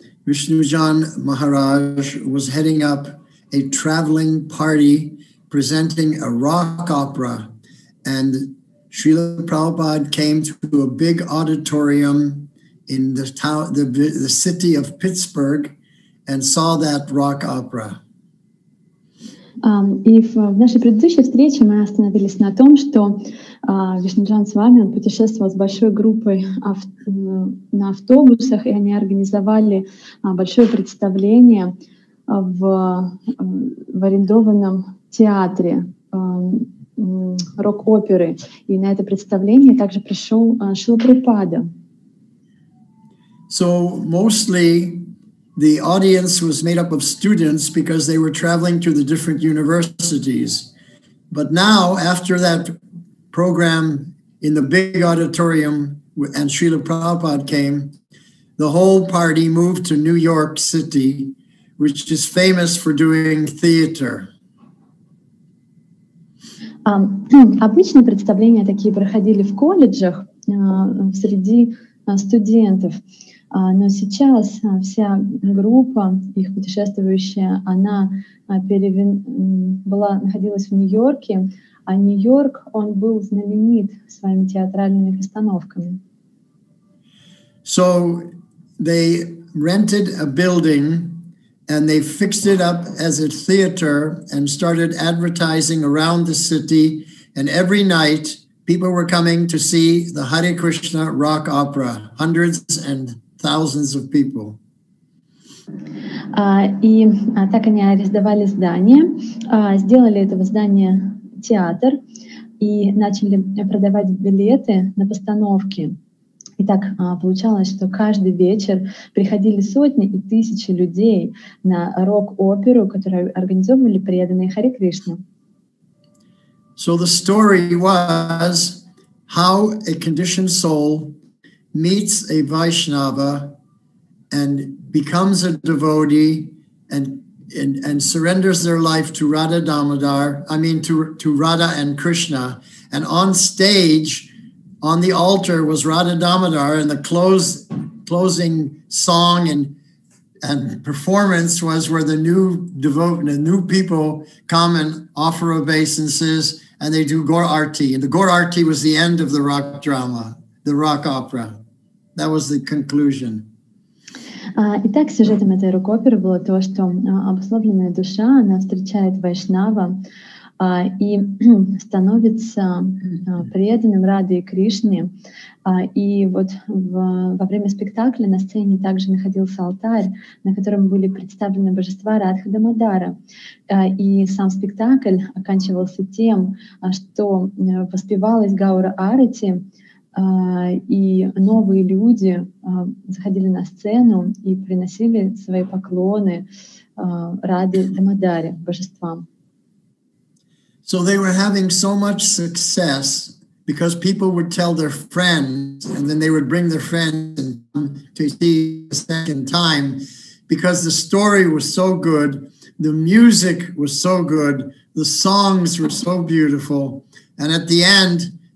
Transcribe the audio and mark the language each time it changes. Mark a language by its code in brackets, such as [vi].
[en] Vishnujan Maharaj was heading up a traveling party presenting a rock opera, and Srila Prabhupada came to a big auditorium in the town, the city of Pittsburgh, and saw that rock opera. [ru] И в нашей предыдущей встрече мы остановились на том, что Вишнуджан Свами, он путешествовал с большой группой на автобусах, и они организовали большое представление в арендованном театре рок-оперы. И на это представление также пришел Шрила Прабхупада. [en] So mostly the audience was made up of students because they were traveling to the different universities. But now, after that program in the big auditorium and Srila Prabhupada came, the whole party moved to New York City, which is famous for doing theater. [ru] Обычно представления такие проходили в колледжах среди студентов. Но сейчас вся группа, их путешествующая, она находилась в Нью-Йорке, а Нью-Йорк, он был знаменит своими театральными постановками. [en] So they rented a building and they fixed it up as a theater and started advertising around the city, and every night people were coming to see the Hare Krishna rock opera, hundreds and thousands of people. [ru] Так они арендовали здание, сделали этого здания театр и начали продавать билеты на постановки. И так получалось, что каждый вечер приходили сотни и тысячи людей на рок-оперу, которую организовывали преданные Харе Кришна. [en] So the story was how a conditioned soul meets a Vaishnava and becomes a devotee and surrenders their life to Radha Damodar, to Radha and Krishna. And on stage, on the altar, was Radha Damodar, and the closing song and performance was where the new people come and offer obeisances, and they do Gaur Aarti. And the Gaur Aarti was the end of the rock drama, the rock opera. That was the conclusion. [ru] Итак, сюжетом этой рок-оперы было то, что обусловленная душа, она встречает Вайшнава и становится преданным Раде и Кришне. И вот во время спектакля на сцене также находился алтарь, на котором были представлены божества Радха Дамодара. И сам спектакль оканчивался тем, что воспевалась Гаура Арати, и новые люди заходили на сцену и приносили свои поклоны Раде Дамодаре, божествам. [en] So they were having so much success because people would tell their friends, and then they would bring their friends and come to see a second time because the story was so good, the music was so good, the songs were so beautiful, and at the end,